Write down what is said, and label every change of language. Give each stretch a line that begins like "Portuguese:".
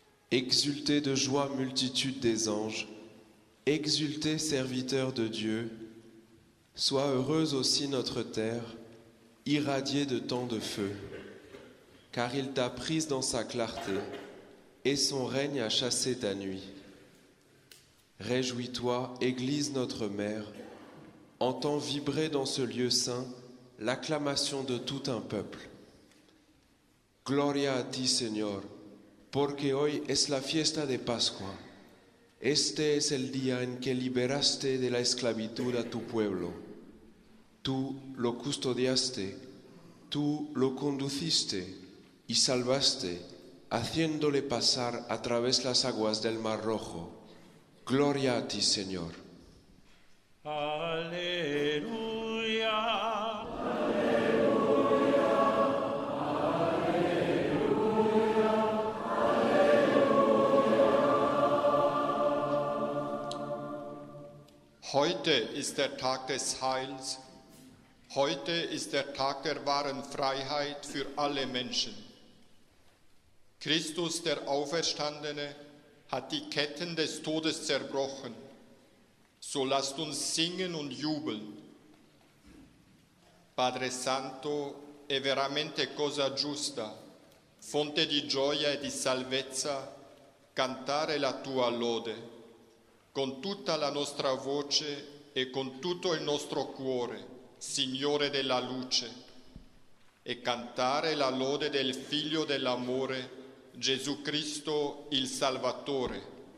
French: exultez de joie, multitude des anges, exultez, serviteurs de Dieu, sois heureuse aussi notre terre, irradiée de tant de feu, car il t'a prise dans sa clarté, et son règne a chassé ta nuit. Réjouis-toi, Église notre mère, entends vibrer dans ce lieu saint l'acclamation de tout un peuple.
Spanish: Gloria a ti, Señor, porque hoy es la fiesta de Pascua. Este es el día en que liberaste de la esclavitud a tu pueblo. Tú lo custodiaste, tú lo conduciste y salvaste, haciéndole pasar a través las aguas del Mar Rojo. Gloria a ti, Señor. Aleluya.
German: Heute ist der Tag des Heils. Heute ist der Tag der wahren Freiheit für alle Menschen. Christus, der Auferstandene, hat die Ketten des Todes zerbrochen. So lasst uns singen und jubeln.
Italian: Padre Santo, è veramente cosa giusta, fonte di gioia e di salvezza, cantare la tua lode. Con tutta la nostra voce e con tutto il nostro cuore, Signore della luce, e cantare la lode del Figlio dell'amore, Gesù Cristo il Salvatore.